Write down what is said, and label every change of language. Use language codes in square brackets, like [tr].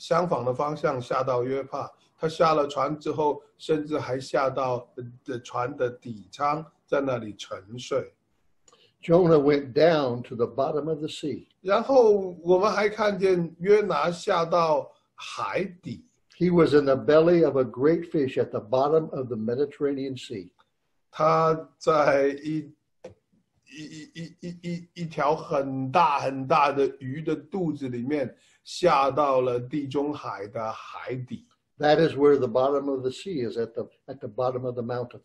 [zh] 约拿不单只往相反的方向下到约帕, 他下了船之后甚至还下到船的底舱, 在那里沉睡。 [en] Jonah went down to the bottom of the sea. [zh] 然后我们还看见约拿下到海底。 [en] He was in the belly of a great fish at the bottom of the Mediterranean Sea. [zh] 他在一条很大很大的鱼的肚子里面下到了地中海的海底。 [en] That is where the bottom of the sea is, at the bottom of the mountains.